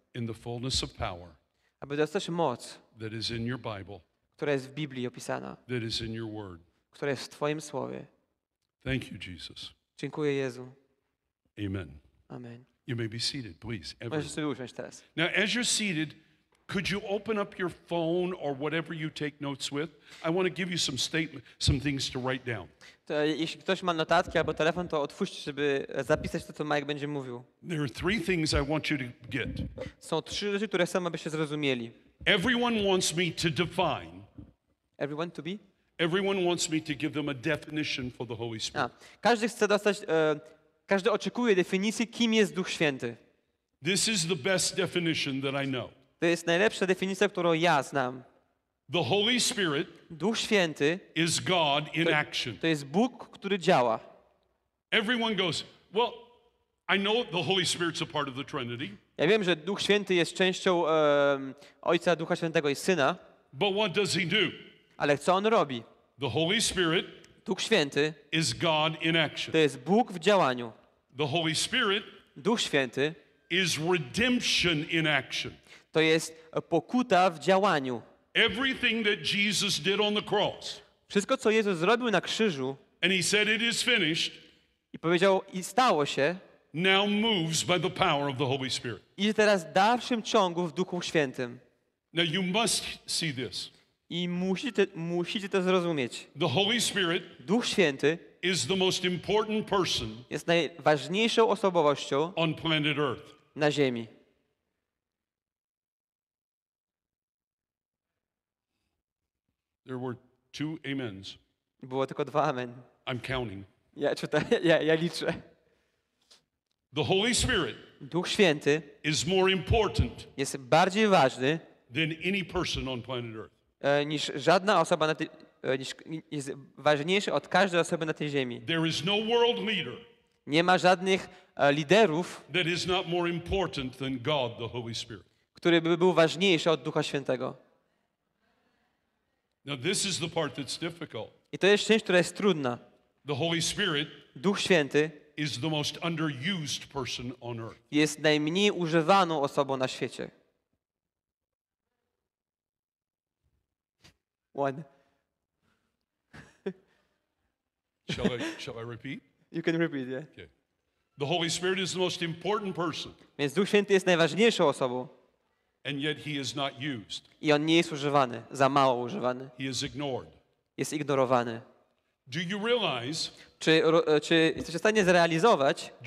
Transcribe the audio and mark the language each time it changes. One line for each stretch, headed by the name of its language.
English: in the fullness of power.
Polish: Aby dostać moc,
English: that is in your Bible,
Polish: która jest w Biblii opisana,
English: that is in your word,
Polish: która jest w Twoim Słowie.
English: Thank you, Jesus.
Polish: Dziękuję, Jezu.
English: Amen.
Polish: Amen.
English: You may be seated, please.
Polish: Możesz sobie usiąść teraz.
English: Now, as you're seated, could you open up your phone or whatever you take notes with? I want to give you some statement, some things to write down.
Polish: To, jeśli ktoś ma notatki albo telefon, to otwórzcie, żeby zapisać to, co Mike będzie mówił.
English: There are three things I want you to get.
Polish: Są trzy rzeczy, które chcę, abyście zrozumieli.
English: Everyone wants me to define. Everyone to be? Everyone wants me to give them a definition for the Holy Spirit.
Polish: Każdy chce dostać, każdy oczekuje definicji, kim jest Duch Święty.
English: This is the best definition that I know.
Polish: To jest najlepsza definicja, którą ja znam.
English: The Holy Spirit,
Polish: Duch Święty,
English: is God in action.
Polish: To jest Bóg, który działa.
English: Everyone goes, well, I know the Holy Spirit's a part of the Trinity.
Polish: Ja wiem, że Duch Święty jest częścią Ojca, Ducha Świętego i Syna.
English: But what does he do?
Polish: Ale co on robi?
English: The Holy Spirit,
Polish: Duch Święty,
English: is God in action.
Polish: To jest Bóg w działaniu.
English: The Holy Spirit,
Polish: Duch Święty,
English: is redemption in action.
Polish: To jest pokuta w działaniu.
English: Everything that Jesus did on the cross.
Polish: Wszystko, co Jezus zrobił na krzyżu.
English: And he said it is finished.
Polish: I powiedział, i stało się.
English: Now moves by the power of the Holy Spirit.
Polish: I teraz w dalszym ciągu w Duchu Świętym.
English: Now you must see this.
Polish: I musicie to zrozumieć.
English: The Holy Spirit,
Polish: Duch Święty,
English: is the most important person,
Polish: jest najważniejszą osobowością
English: on planet Earth.
Polish: Na Ziemi.
English: There were two amens.
Polish: Było tylko dwa amen.
English: I'm counting.
Polish: Ja czytam, ja liczę.
English: The Holy Spirit,
Polish: Duch Święty,
English: is more important,
Polish: jest bardziej ważny,
English: than any person on planet Earth.
Polish: Niż żadna osoba na tej, niż jest ważniejszy od każdej osoby na tej ziemi.
English: There is no world leader.
Polish: Nie ma żadnych liderów,
English: that is not more important than God, the Holy Spirit.
Polish: Który by był ważniejszy od Ducha Świętego.
English: Now this is the part that's difficult.
Polish: I to jest część, która jest trudna.
English: The Holy Spirit,
Polish: Duch Święty,
English: is the most underused person on earth.
Polish: Jest najmniej używaną osobą na świecie.
English: One. Shall I repeat? You can repeat, yeah. Okay. The Holy Spirit is the most important person.
Polish: Więc Duch Święty jest najważniejszą osobą.
English: And yet he is not used.
Polish: I on nie jest używany, za mało używany.
English: He is ignored.
Polish: Jest ignorowany.
English: Do you realize?
Polish: Czy jesteś w stanie zrealizować?